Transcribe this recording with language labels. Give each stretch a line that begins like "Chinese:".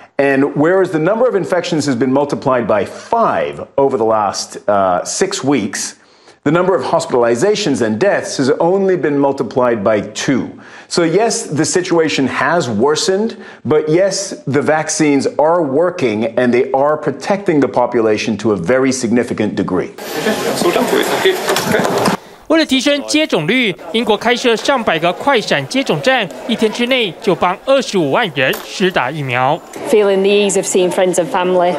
English: And whereas the number of infections has been multiplied by 5 over the last 6 weeks, the number of hospitalizations and deaths has only been multiplied by 2. So yes, the situation has worsened, but yes, the vaccines are working and they are protecting the population to a very significant degree. Okay.
Chinese: 为了提升接种率，英国开设上百个快闪接种站，一天之内就帮25万人施打疫苗。
English: Feeling the ease of seeing friends and family.